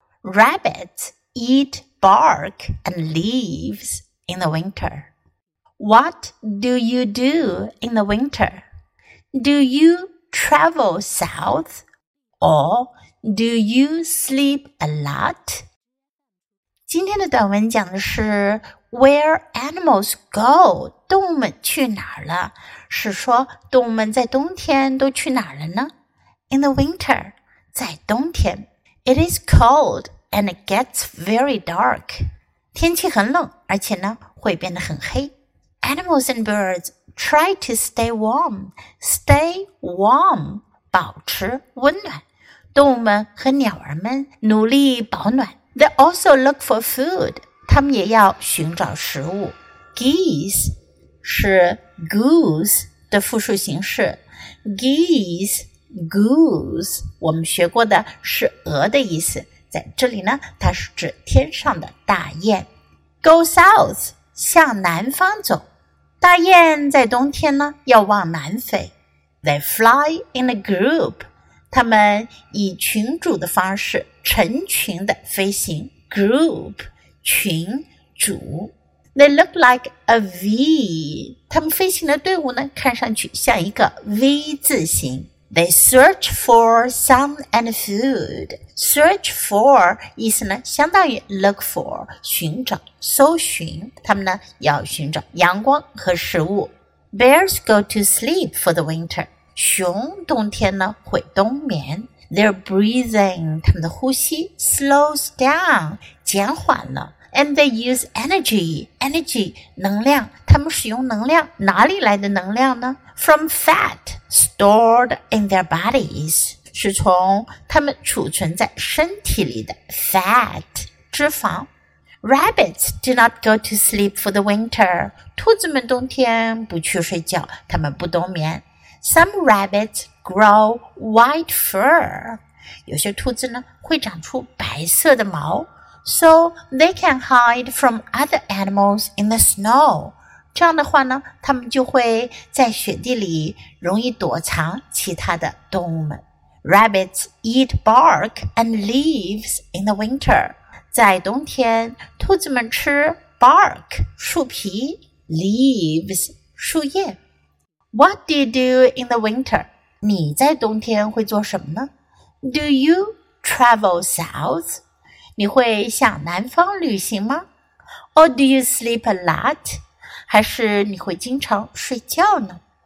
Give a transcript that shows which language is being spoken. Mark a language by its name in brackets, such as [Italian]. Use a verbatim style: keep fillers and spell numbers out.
[English] Rabbits eat bark and leaves in the winter. What do you do in the winter? Do you travel south, or do you sleep a lot? [Chinese] 今天的短文讲的是 [English] Where animals go, [Chinese] 动物们去哪儿了？是说动物们在冬天都去哪儿了呢？ [English] In the winter, [Chinese] 在冬天 [English] It is cold and it gets very dark. [Chinese] 天气很冷，而且呢会变得很黑。 [English] Animals and birds try to stay warm. Stay warm, [Chinese] 保持温暖。动物们和鸟儿们努力保暖。 [English] They also look for food. [Chinese] 他们也要寻找食物。 Geese 是 goose 的复数形式。 Geese, goose 我们学过的是鹅的意思，在这里呢，它是指天上的大雁。 [English] Go south [Chinese] 向南方走。大雁在冬天呢要往南飞。 [English] They fly in a group. [Chinese] 它们以群组的方式成群的飞行。 [English] Group [Chinese] 群组 [English] They look like a V. [Chinese] 他们飞行的队伍呢，看上去像一个 V 字形。 [English] They search for sun and food. Search for [Chinese] 意思呢，相当于 [English] look for [Chinese] 寻找、搜寻。他们呢要寻找阳光和食物。 [English] Bears go to sleep for the winter. [Chinese] 熊冬天呢会冬眠。 [English] Their breathing, [Chinese] 他们的呼吸 [English] slows down, [Chinese] 减缓了。 [English] And they use energy, energy, 能量。 [Chinese] 他们使用能量，哪里来的能量呢？ [English] From fat stored in their bodies, [Chinese] 是从他们储存在身体里的 fat, 脂肪。 [English] Rabbits do not go to sleep for the winter. [Chinese] 兔子们冬天不去睡觉，它们不冬眠。 [English] Some rabbits grow white fur. [Chinese] 有些兔子呢会长出白色的毛。 [English] So they can hide from other animals in the snow. [Chinese] 这样的话呢，它们就会在雪地里容易躲藏其他的动物们。 [English] Rabbits eat bark and leaves in the winter. [Chinese] 在冬天，兔子们吃 bark, 树皮 leaves, 树叶。 [English] What do you do in the winter? [Chinese] 你在冬天会做什么呢？ [English] Do you travel south? [Chinese] 你会向南方旅行吗？ [English] Or do you sleep a lot? [Chinese] 还是你会经常睡觉呢？